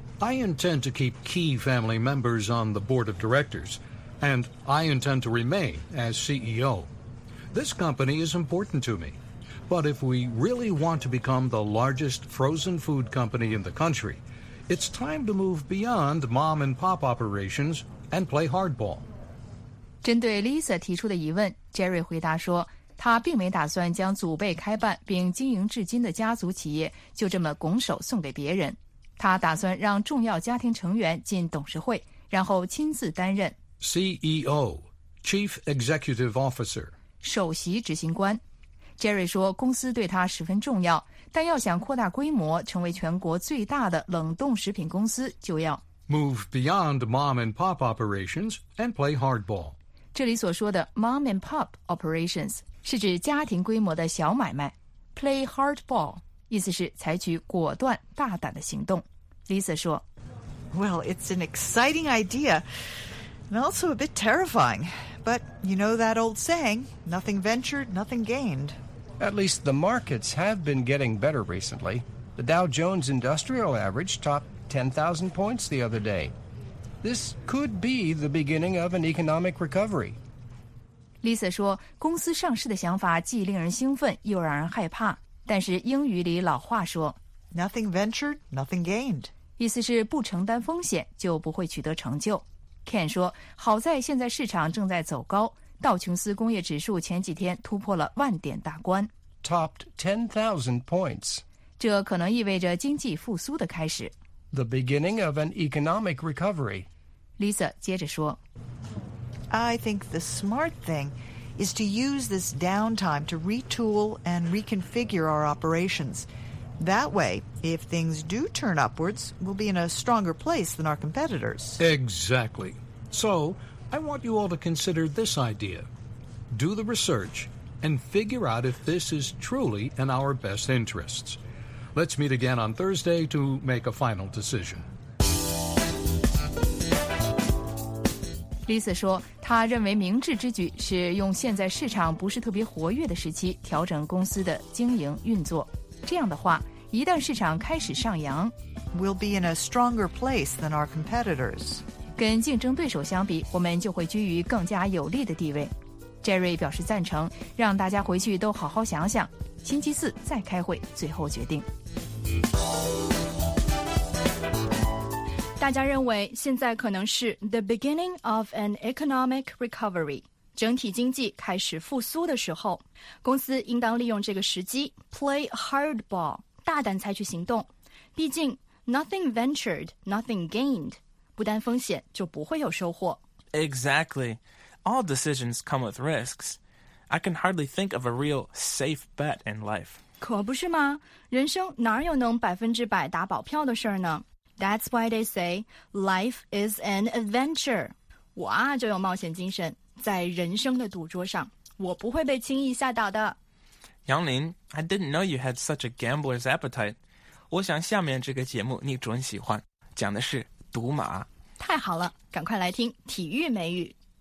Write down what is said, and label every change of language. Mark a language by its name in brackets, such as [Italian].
[English] I intend to keep key family members on the board of directors, and I intend to remain as CEO. This company is important to me, but if we really want to become the largest frozen food company in the country, it's time to move beyond mom-and-pop operations and play hardball. [Chinese] 针对 Lisa 提出的疑问 ，Jerry 回答说。他并没打算将祖辈开办并经营至今的家族企业就这么拱手送给别人。他打算让重要家庭成员进董事会，然后亲自担任 [English] CEO, Chief Executive Officer, [Chinese] 首席执行官。 Jerry 说公司对他十分重要，但要想扩大规模成为全国最大的冷冻食品公司，就要 [English] Move beyond mom and pop operations and play hardball. [Chinese] 这里所说的 [English] mom and pop operations, [Chinese] 是指家庭规模的小买卖 ， [English] play hardball， [Chinese] 意思是采取果断大胆的行动。Lisa 说 [English] ，Well, it's an exciting idea, and also a bit terrifying. But you know that old saying, nothing ventured, nothing gained. At least the markets have been getting better recently. The Dow Jones Industrial Average topped 10,000 points the other day. This could be the beginning of an economic recovery. [Chinese] Lisa 说，公司上市的想法既令人兴奋又让人害怕。但是英语里老话说 [English] Nothing ventured, nothing gained. [Chinese] 意思是不承担风险就不会取得成就。Ken 说，好在现在市场正在走高，道琼斯工业指数前几天突破了万点大关。 [English] Topped 10,000 points. [Chinese] 这可能意味着经济复苏的开始。 [English] The beginning of an economic recovery. [Chinese] Lisa 接着说。 [English] I think the smart thing is to use this downtime to retool and reconfigure our operations. That way, if things do turn upwards, we'll be in a stronger place than our competitors. Exactly. So, I want you all to consider this idea. Do the research and figure out if this is truly in our best interests. Let's meet again on Thursday to make a final decision. [Chinese] Lisa 说，他认为明智之举是用现在市场不是特别活跃的时期调整公司的经营运作。这样的话，一旦市场开始上扬 [English] ，We'll be in a stronger place than our competitors. [Chinese] 跟竞争对手相比，我们就会居于更加有利的地位。 Jerry 表示赞成，让大家回去都好好想想，星期四再开会，最后决定。大家认为现在可能是 [English] the beginning of an economic recovery， [Chinese] 整体经济开始复苏的时候，公司应当利用这个时机 [English] play hardball， [Chinese] 大胆采取行动。毕竟 [English] nothing ventured, nothing gained， [Chinese] 不担风险就不会有收获。 [English] Exactly, all decisions come with risks. I can hardly think of a real safe bet in life. [Chinese] 可不是吗？人生哪有能100%打保票的事儿呢？ [English] That's why they say life is an adventure. [Chinese] 我啊就有冒险精神，在人生的赌桌上，我不会被轻易吓倒的。 [English] 杨林 ，I didn't know you had such a gambler's appetite. [Chinese] 我想下面这个节目你准喜欢，讲的是赌马。太好了，赶快来听体育美语。